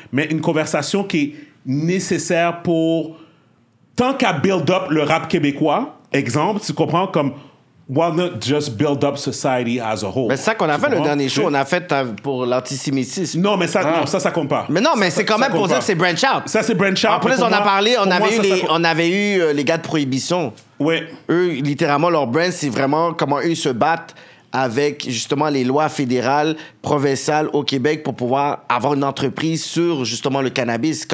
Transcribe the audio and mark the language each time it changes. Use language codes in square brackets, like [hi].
[fr] Mais une conversation qui est nécessaire pour tant qu'à [en] build up [fr] le rap québécois, exemple, tu comprends? [en] Comme why not just build up society as a whole? [fr] Mais c'est ça qu'on a fait le dernier show, on a fait pour l'antisémitisme. Non, mais ça, non, ça compte pas. Mais non, mais c'est quand même pour dire que c'est [en] branch out. [fr] Ça, c'est [en] branch out. [fr] En plus, on a parlé, on avait eu les gars de Prohibition. Ouais. Eux, littéralement, leur brand, c'est vraiment comment eux se battent avec justement les lois fédérales, provinciales au Québec pour pouvoir avoir une entreprise sur justement le cannabis.